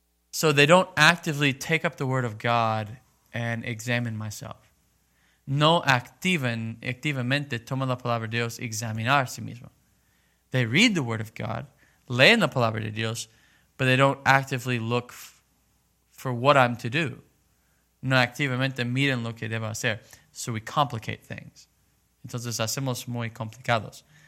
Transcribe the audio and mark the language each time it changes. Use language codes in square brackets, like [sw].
[en] So they don't actively take up the word of God and examine myself. [es] No activamente toman la palabra de Dios examinar a sí mismo. [en] They read the word of God, [es] leen la palabra de Dios, [en] but they don't actively look for what I'm to do. [es] No activamente miren lo que debo hacer. [en] So we complicate things. [es] Entonces hacemos muy complicados.